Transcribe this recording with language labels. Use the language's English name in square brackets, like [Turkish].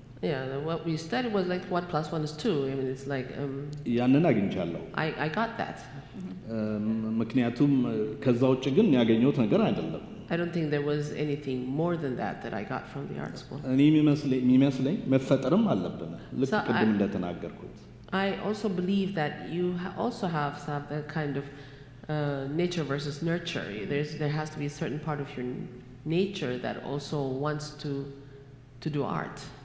[English] Yeah, what we studied was like 1 plus 1 is 2. I mean, it's like... [Amharic] ያንን አግኝቻለሁ. [English] I got that. [Amharic] ምክንያቱም ከዛ ውጭ ግን ያገኘሁት ነገር አይደለም. [English] I don't think there was anything more than that that I got from the art school. [Amharic] እኔ የሚመስለኝ መፈጠርም አለብን. ልክ ቅድም እንደተናገርኩት. [English] I also believe that you also have some kind of nature versus nurture. There has to be a certain part of your nature that also wants to do art.